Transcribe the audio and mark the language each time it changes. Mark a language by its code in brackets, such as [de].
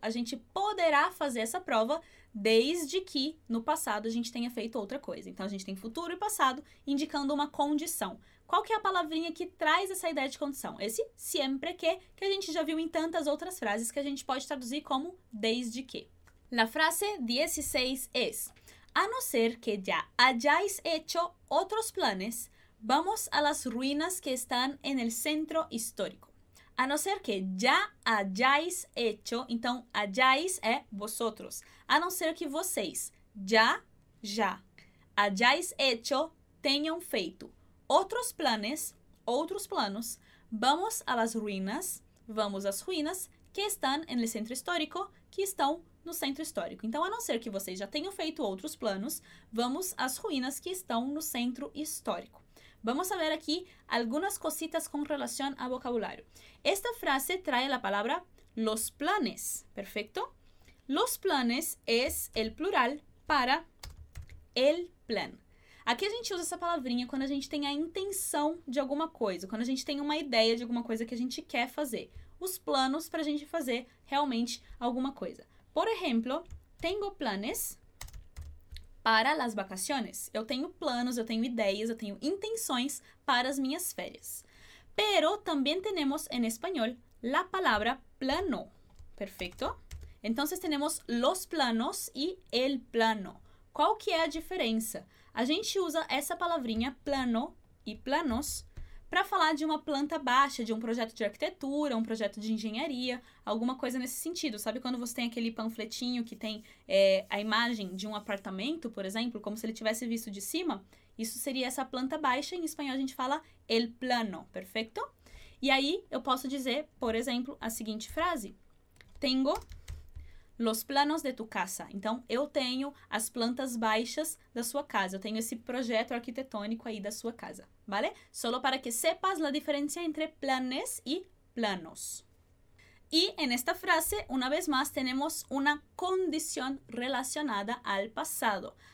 [pt] A gente poderá fazer essa prova desde que no passado a gente tenha feito outra coisa. Então a gente tem futuro e passado indicando uma condição. Qual que é a palavrinha que traz essa ideia de condição? Esse siempre que a gente já viu em tantas outras frases que a gente pode traduzir como desde que. [es] La frase 16 es: a no ser que ya hayáis hecho otros planes, vamos a las ruinas que están en el centro histórico. A no ser que ya hayáis hecho, então hayáis é vosotros. [pt] A não ser que vocês já hayáis hecho, tenham feito outros planos, [es] vamos a las ruinas, [pt] vamos às ruínas que estão [es] en el centro histórico, [pt] que estão no centro histórico. Então, a não ser que vocês já tenham feito outros planos, vamos às ruínas que estão no centro histórico. Vamos a ver aqui algumas cositas com relação ao vocabulário. [es] Esta frase trae [pt] a palavra [es] los planes, perfeito? Los planes es el plural para el plan. [pt] Aqui a gente usa essa palavrinha quando a gente tem a intenção de alguma coisa, quando a gente tem uma ideia de alguma coisa que a gente quer fazer. Os planos para a gente fazer realmente alguma coisa. [es] Por exemplo, tengo planes para las vacaciones. [pt] Eu tenho planos, eu tenho ideias, eu tenho intenções para as minhas férias. [es] Pero también tenemos en español la palabra plano. Perfecto. Entonces tenemos los planos y el plano. [pt] Qual que é a diferença? A gente usa essa palavrinha plano e planos para falar de uma planta baixa, de um projeto de arquitetura, um projeto de engenharia, alguma coisa nesse sentido. Sabe quando você tem aquele panfletinho que tem a imagem de um apartamento, por exemplo, como se ele tivesse visto de cima? Isso seria essa planta baixa, em espanhol a gente fala el plano, perfeito? E aí eu posso dizer, por exemplo, a seguinte frase: [es] tengo los planos de tu casa. [pt] Então, eu tenho as plantas baixas da sua casa. Eu tenho esse projeto arquitetônico aí da sua casa, vale? [es] Solo para que sepas la diferencia entre planes y planos. Y en esta frase, una vez más, tenemos una condición relacionada al pasado.